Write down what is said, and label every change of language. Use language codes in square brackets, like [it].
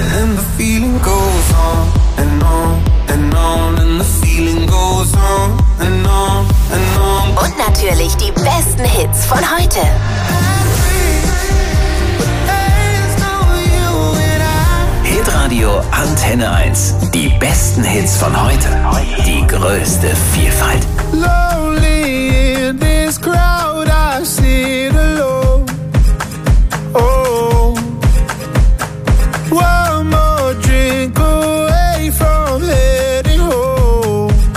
[en] And the feeling goes on and on and on. And the feeling goes on and on and on. [de] Und natürlich die besten Hits von heute. Hitradio Antenne 1. Die besten Hits von heute. Die größte Vielfalt. [en] Lonely in this crowd, I sit alone. Oh, one more drink away from heading home.